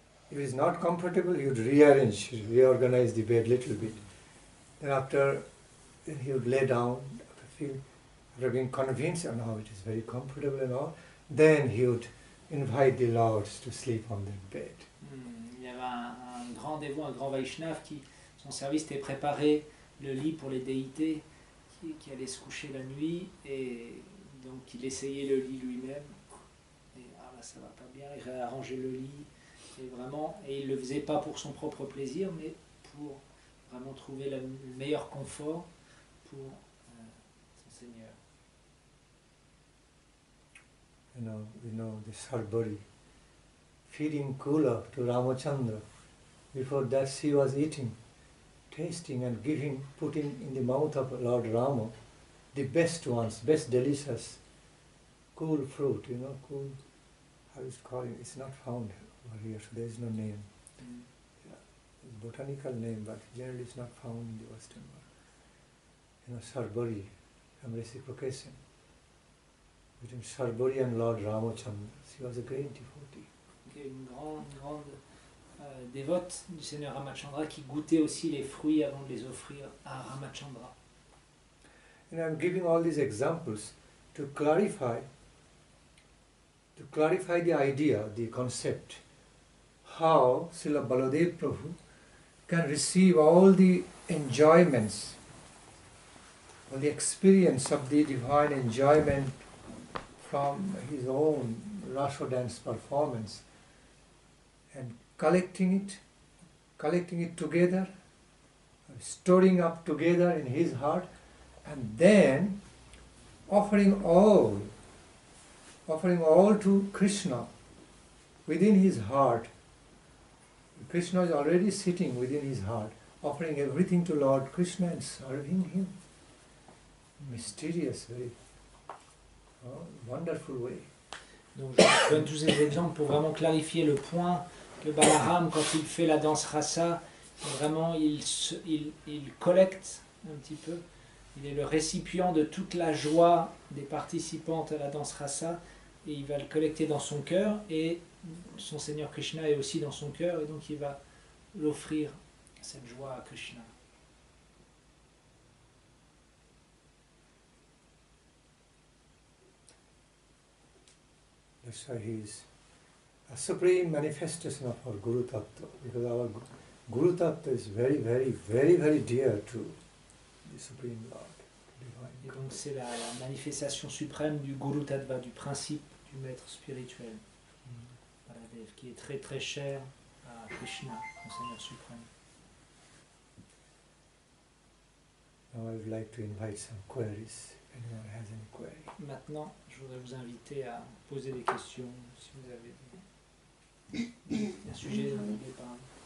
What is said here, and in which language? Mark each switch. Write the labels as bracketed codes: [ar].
[en] If it's not comfortable, he would reorganize the bed a little bit. Then after, he would lay down, feel, after being convinced, oh, now it is very comfortable and all, then he would invite the lords to sleep on their bed. [fr] Il y avait un grand dévot, un grand Vaishnav qui, son service était préparer le lit pour les déités qui allaient se coucher la nuit, et donc il essayait le lit lui-même, et ah là, ça va pas bien, il réarrangeait le lit, et vraiment, et il le faisait pas pour son propre plaisir, mais pour vraiment trouver le meilleur confort pour son Seigneur. [en] You know this whole body feeding cooler to Ramachandra. Before that, she was eating, tasting, and putting in the mouth of Lord Rama the best ones, best delicious cool fruit. You know, cool. How is it called? It's not found over here, so there is no name. Botanical name, but generally it's not found in the Western world. You know, Sarbari, from reciprocation. Between Sarbari and Lord Ramachandra, she was a great devotee. [fr] Okay, une grande, grande dévote du Seigneur Ramachandra qui goûtait aussi les fruits avant de les offrir à Ramachandra. [en] And I'm giving all these examples to clarify the idea, the concept, how Srila Baladev Prabhu can receive all the enjoyments, all the experience of the divine enjoyment from his own Rasa dance performance, and collecting it together, storing up together in his heart, and then offering all to Krishna within his heart. Krishna is already sitting within his heart, offering everything to Lord Krishna and serving him. Mysterious, very wonderful way. [fr] Donc je donne tous ces exemples pour vraiment clarifier le point que Balaram, quand il fait la danse rasa, vraiment il collecte un petit peu. Il est le récipient de toute la joie des participantes à la danse rasa, et il va le collecter dans son cœur, et son Seigneur Krishna est aussi dans son cœur, et donc il va l'offrir, cette joie, à Krishna. [en] That's why he is a supreme manifestation of our Guru Tattva, because our Guru Tattva is very, very, very, very dear to the Supreme Lord, the Divine. [fr] Et donc c'est la manifestation suprême du Guru Tattva, du principe du maître spirituel. Qui est très très cher à Krishna, au Seigneur suprême. [en] Now I would like to invite some queries. Anyone has any query? [fr] Maintenant, je voudrais vous inviter à poser des questions si vous avez un sujet dont vous voulez parler.